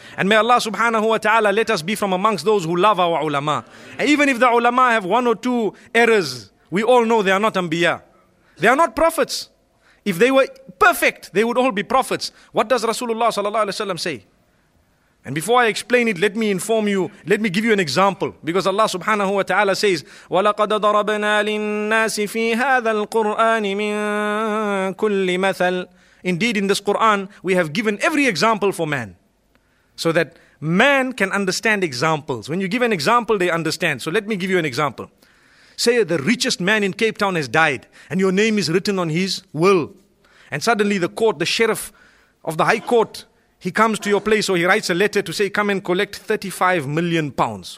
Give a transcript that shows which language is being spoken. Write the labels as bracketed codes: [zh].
[en] And may Allah subhanahu wa ta'ala let us be from amongst those who love our ulama. And even if the ulama have one or two errors, we all know they are not anbiya. They are not prophets. If they were perfect, they would all be prophets. What does Rasulullah sallallahu alaihi wasallam say? And before I explain it, let me give you an example. Because Allah subhanahu wa ta'ala says, [ar] وَلَقَدْ ضَرَبْنَا لِلنَّاسِ فِي هَذَا الْقُرْآنِ مِنْ كُلِّ مَثَلٍ. [en] Indeed, in this Quran, we have given every example for man. So that man can understand examples. When you give an example, they understand. So let me give you an example. Say the richest man in Cape Town has died, and your name is written on his will. And suddenly the court, the sheriff of the high court, he comes to your place, or he writes a letter to say, come and collect 35 million pounds.